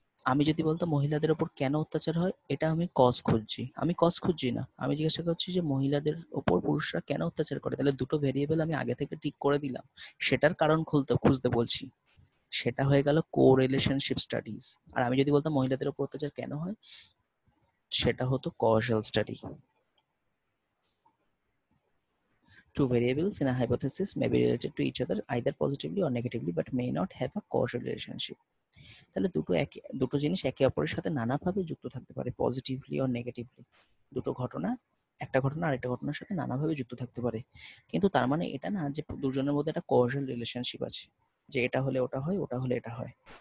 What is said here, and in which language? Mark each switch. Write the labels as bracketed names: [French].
[Bangla] আমি যদি বলতাম মহিলাদের উপর কেন অত্যাচার হয়, এটা আমি কজ খুঁজছি, আমি কজ খুঁজছি না, আমি জিজ্ঞাসা করছি যে মহিলাদের উপর পুরুষরা কেন অত্যাচার করে, তাহলে দুটো ভেরিয়েবল আমি আগে থেকে টিক করে দিলাম, সেটার কারণ খুঁজতে বলছি, সেটা হয়ে গেল কোরিলেশনশিপ স্টাডিজ। আর আমি যদি বলতাম মহিলাদের উপর অত্যাচার কেন হয়, সেটা হতো causal study. [English] Two variables in a hypothesis may be related to each other either positively or negatively but may not have a causal relationship. [Bangla] তাহলে দুটো জিনিস একে অপরের সাথে নানাভাবে যুক্ত থাকতে পারে, [English] positively or negatively, [Bangla] দুটো ঘটনা একটা ঘটনা আরেকটা ঘটনার সাথে নানাভাবে যুক্ত থাকতে পারে, কিন্তু তার মানে এটা না যে দুজনের মধ্যে একটা কজাল রিলেশনশিপ আছে, যে এটা হলে ওটা হয়, ওটা হলে এটা হয়।